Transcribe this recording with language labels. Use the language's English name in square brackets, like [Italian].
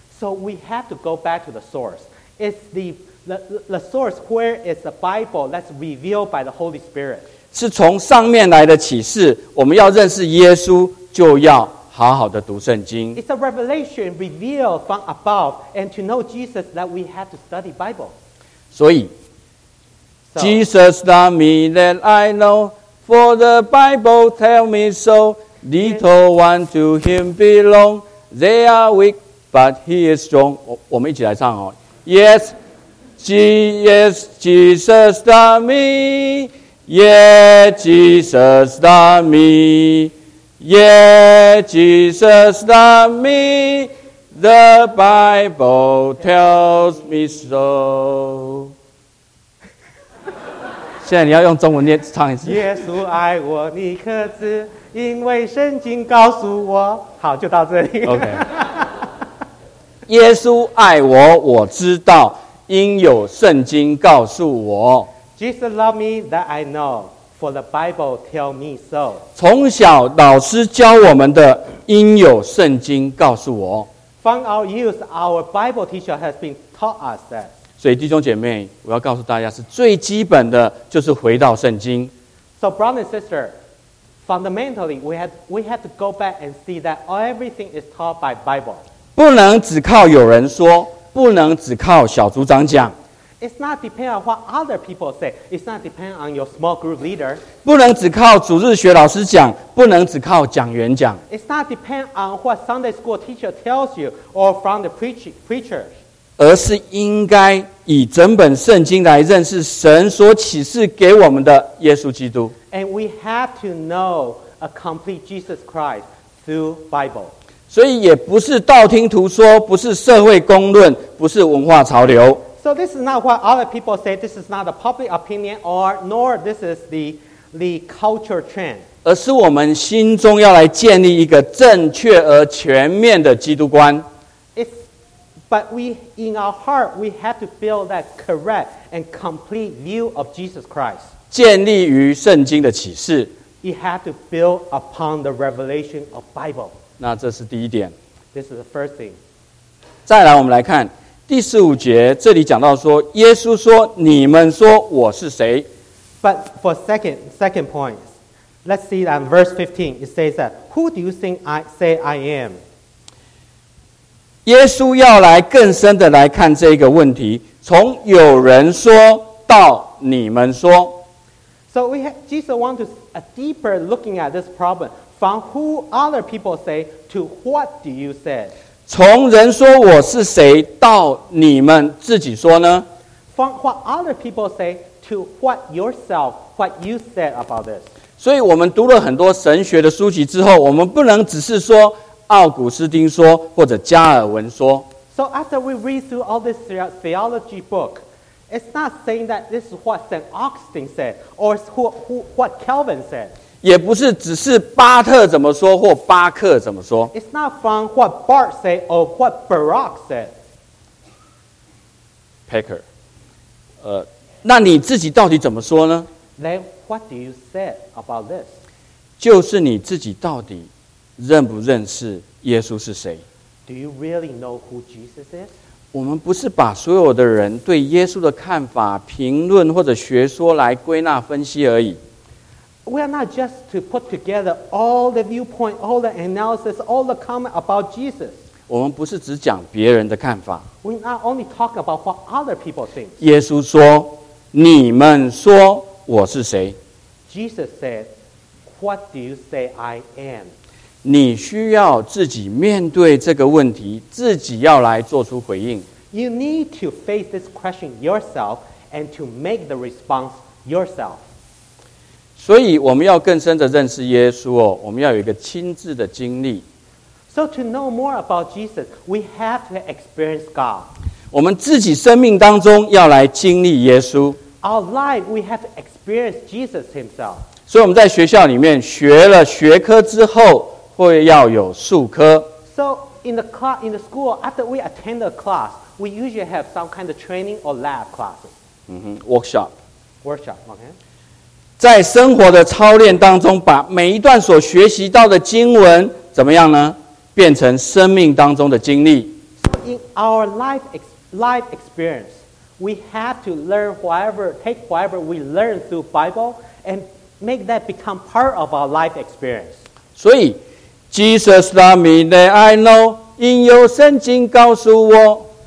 [English] So we have to go back to the source. It's the source where is the Bible that's revealed by the Holy Spirit. [Chinese] 是从上面来的启示。我们要认识耶稣，就要好好的读圣经。 [English] It's a revelation revealed from above, and to know Jesus, that we have to study Bible. 所以 Jesus loved me that I know, for the Bible tell me so. Little one to Him belong, they are weak, but He is strong. [Chinese] 我们一起来唱哦。 [English] Yes, Jesus loved me. Yeah, Jesus loved me. Yeah, Jesus loved me. The Bible tells me so. [Chinese] 现在你要用中文念唱一次。耶稣爱我，你可知？因为圣经告诉我。好，就到这里。 [English] OK。 [Chinese] 耶稣爱我，我知道，因有圣经告诉我。 [English] Jesus love me that I know, for the Bible tell me so. [Chinese] 从小老师教我们的，因有圣经告诉我。 [English] From our youth, our Bible teacher has been taught us that. [Chinese] 所以弟兄姐妹，我要告诉大家，是最基本的，就是回到圣经。 [English] So brother and sister, fundamentally, we have to go back and see that everything is taught by Bible. [Chinese] 不能只靠有人说，不能只靠小组长讲。 [English] It's not depend on what other people say. It's not depend on your small group leader. [Chinese] 不能只靠主日学老师讲，不能只靠讲员讲。 [English] It's not depend on what Sunday school teacher tells you or from the preacher. [Chinese] 而是应该以整本圣经来认识神所启示给我们的耶稣基督。 [English] And we have to know a complete Jesus Christ through Bible. [Chinese] 所以也不是道听途说，不是社会公论，不是文化潮流。 [English] So this is not what other people say. This is not a public opinion, or nor this is the culture trend. [Chinese] 而是我们心中要来建立一个正确而全面的基督观。 [English] But we, in our heart, we have to build that correct and complete view of Jesus Christ. [Chinese] 建立于圣经的启示。 [English] It has to build upon the revelation of Bible. [Chinese] 那这是第一点。 [English] This is the first thing. [Chinese] 再来我们来看第十五节，这里讲到说，耶稣说，你们说我是谁。 [English] But for second point, let's see that verse 15, it says that, who do you think I say I am? [Chinese] 耶稣要来更深的来看这个问题，从有人说到你们说。 [English] So we have, Jesus want to a deeper looking at this problem from who other people say to what do you say? [Chinese] 从人说我是谁到你们自己说呢？ [English] From what other people say to what yourself, what you said about this. [Chinese] 所以我们读了很多神学的书籍之后，我们不能只是说奥古斯丁说，或者加尔文说。 [English] So after we read through all this theology book, it's not saying that this is what St. Augustine said or what Calvin said. [Chinese] 也不是只是巴特怎么说或巴克怎么说。 [English] It's not from what Bart said or what Barack said. Pecker. [Chinese] 那你自己到底怎么说呢？ [English] Then what do you say about this? [Chinese] 就是你自己到底认不认识耶稣是谁？ [English] Do you really know who Jesus is? [Chinese] 我们不是把所有的人对耶稣的看法、评论或者学说来归纳分析而已。 [English] We are not just to put together all the viewpoint, all the analysis, all the comment about Jesus. [Chinese] 我们不是只讲别人的看法。 [English] We not only talk about what other people think. [Chinese] 耶稣说，你们说我是谁？ [English] Jesus said, what do you say I am? [Chinese] 你需要自己面对这个问题，自己要来做出回应。 [English] You need to face this question yourself and to make the response yourself. [Chinese] 所以我们要更深的认识耶稣哦，我们要有一个亲自的经历。 [English] So to know more about Jesus, we have to experience God. [Chinese] 我们自己生命当中要来经历耶稣。 [English] Our life, we have to experience Jesus himself. [Chinese] 所以我们在学校里面学了学科之后会要有数科。 [English] So in the class, in the school, after we attend a class, we usually have some kind of training or lab classes. Workshop. Workshop, okay. [Chinese] 在生活的操练当中，把每一段所学习到的经文怎么样呢？变成生命当中的经历。 [English] So in our life experience, we have to learn whatever, take whatever we learn through Bible and make that become part of our life experience. [Chinese] 所以 [English] Jesus love me, that I know, [Chinese] 因有圣经告诉我。